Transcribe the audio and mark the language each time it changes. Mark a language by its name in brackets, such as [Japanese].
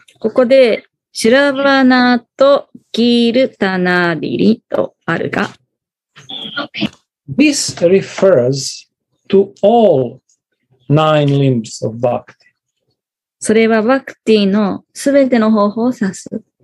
[Japanese] ここでシラバナとキルタナディリとあるが、 [English] This refers to all nine limbs of bhakti. [Japanese] それはバクティのすべての方法を指す。